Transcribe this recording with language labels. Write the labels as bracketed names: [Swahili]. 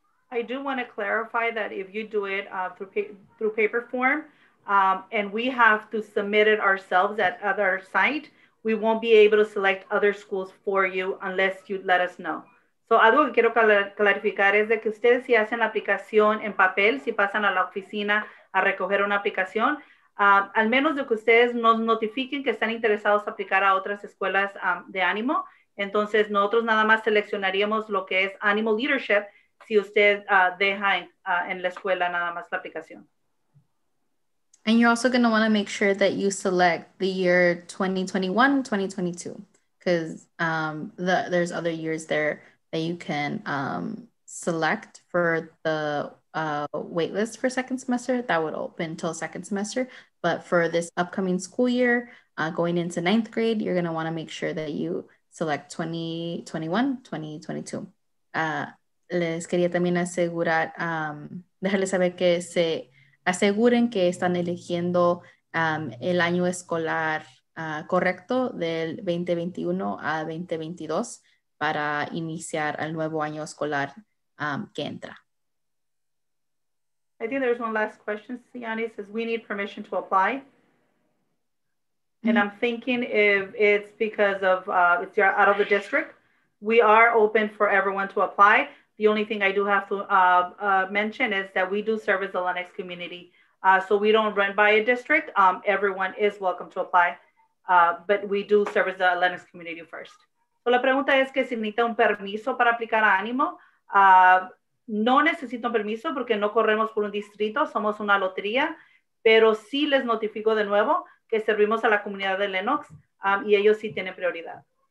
[English] I do want to clarify that if you do it through paper form, and we have to submit it ourselves at other site, we won't be able to select other schools for you unless you let us know. [Spanish] So, algo que quiero clarificar es de que ustedes si hacen la aplicación en papel, si pasan a la oficina a recoger una aplicación, al menos de que ustedes nos notifiquen que están interesados a aplicar a otras escuelas de ANIMO, entonces nosotros nada más seleccionaríamos lo que es ANIMO Leadership si usted deja en la escuela nada más la aplicación. [English] And you're also going to want to make sure that you select the year 2021-2022 because there's other years there that you can select for the waitlist for second semester. That would open till second semester. But for this upcoming school year, going into ninth grade, you're gonna wanna make sure that you select 2021-2022. [Spanish] Les quería también asegurar, dejarles saber que se aseguren que están eligiendo el año escolar correcto del 2021 a 2022. Para iniciar el nuevo año escolar que entra. [English] I think there's one last question, Siani says, we need permission to apply. Mm-hmm. And I'm thinking if it's because of, if you're out of the district, we are open for everyone to apply. The only thing I do have to mention is that we do serve as the Lennox community. So we don't run by a district. Everyone is welcome to apply, but we do serve as the Lennox community first. [Spanish] So la pregunta es que si necesita un permiso para aplicar a ANIMO. No necesito un permiso porque no corremos por un distrito, somos una lotería, pero sí les notifico de nuevo que servimos a la comunidad de Lennox y ellos sí tienen prioridad.